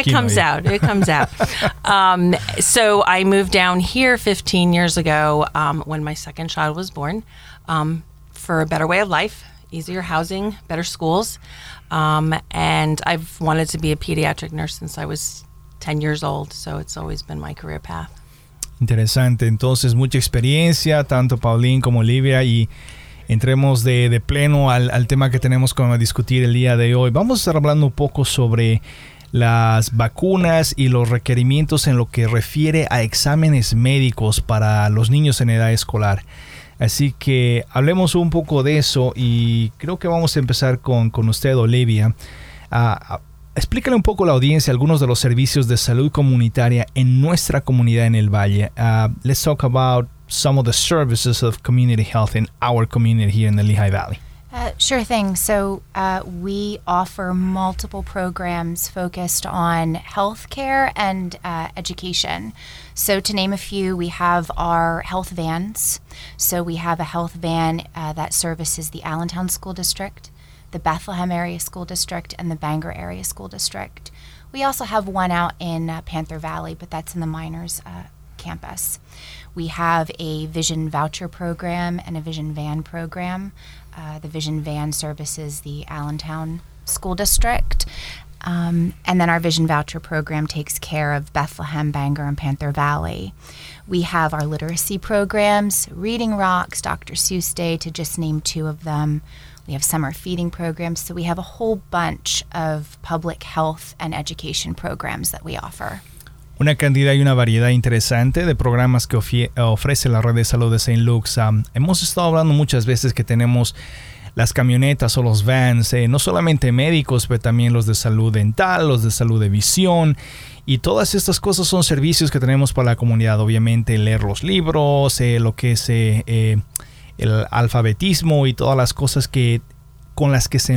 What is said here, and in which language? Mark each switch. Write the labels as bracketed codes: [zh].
[en] It comes out. So I moved down here 15 years ago when my second child was born for a better way of life, easier housing, better schools. And I've wanted to be a pediatric nurse since I was 10 years old, so it's always been my career path. [es] Interesante. Entonces, mucha experiencia, tanto Pauline como Olivia, y entremos de pleno al tema que tenemos como a discutir el día de hoy. Vamos a estar hablando un poco sobre las vacunas y los requerimientos en lo que refiere a exámenes médicos para los niños en edad escolar. Así que hablemos un poco de eso y creo que vamos a empezar con usted, Olivia. Explícale un poco a la audiencia algunos de los servicios de salud comunitaria en nuestra comunidad en el Valle. [en] Let's talk about some of the services of community health in our community here in the Lehigh Valley. Sure thing. So we offer multiple programs focused on healthcare and education. So to name a few, we have our health vans. So we have a health van that services the Allentown School District, the Bethlehem Area School District, and the Bangor Area School District. We also have one out in Panther Valley, but that's in the Miners campus. We have a Vision Voucher program and a Vision Van program. The Vision Van services the Allentown School District. And then our Vision Voucher program takes care of Bethlehem, Bangor, and Panther Valley. We have our literacy programs, Reading Rocks, Dr. Seuss Day, to just name two of them. We have summer feeding programs. So we have a whole bunch of public health and education programs that we offer. [es] Una cantidad y una variedad interesante de programas que ofrece la Red de Salud de St. Luke's. Hemos estado hablando muchas veces que tenemos las camionetas o los vans, no solamente médicos, pero también los de salud dental, los de salud de visión. Y todas estas cosas son servicios que tenemos para la comunidad. Obviamente, leer los libros, lo que es el alfabetismo y todas las cosas que con las que St.